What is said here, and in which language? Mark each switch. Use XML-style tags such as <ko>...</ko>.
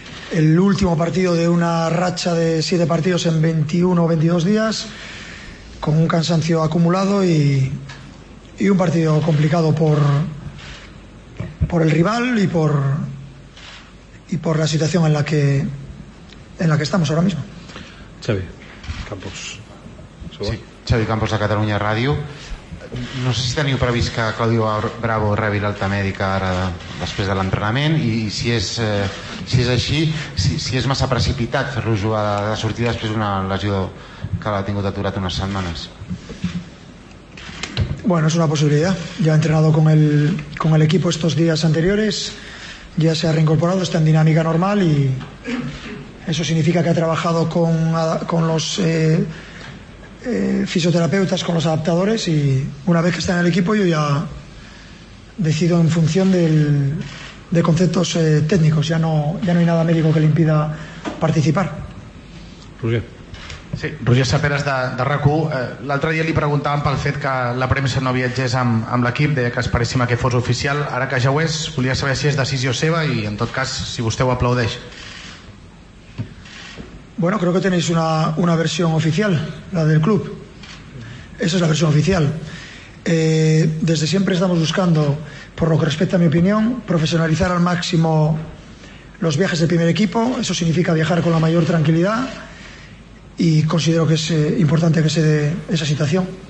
<es>El último partido de una racha de 7 partidos en 21 o 22 días, con un cansancio acumulado y un partido complicado por el rival y por la situación en la que estamos ahora mismo. Xavi Campos. Sí, Xavi Campos de Catalunya Ràdio.</es> <ca>No sé si teniu previst que Claudio Bravo rebi l'alta mèdica ara després de l'entrenament, i si és així, si és massa precipitat fer-lo jugar de sortida després d'una lesió que l'ha tingut aturat unes setmanes.</ca> <es>Bueno, es una posibilidad. Ya ha entrenado con el equipo estos días anteriores, ya se ha reincorporado, está en dinámica normal y eso significa que ha trabajado con los fisioterapeutas, con los adaptadores, y una vez que está en el equipo yo ya decido en función de conceptos técnicos. Ya no hay nada médico que le impida participar. Roger. Sí, Roger Saperes de RAC1.</es> <ca>L'altre dia li preguntàvem pel fet que la premsa no viatgés amb l'equip, deia que esperéssim que fos oficial. Ara que ja ho és, volia saber si és decisió seva i, en tot cas, si vostè ho aplaudeix.</ca> <es>Bueno, creo que tenéis una versión oficial, la del club. Esa es la versión oficial. Desde siempre estamos buscando, por lo que respecta a mi opinión, profesionalizar al máximo los viajes del primer equipo. Eso significa viajar con la mayor tranquilidad y considero que es importante que se dé esa situación.</es>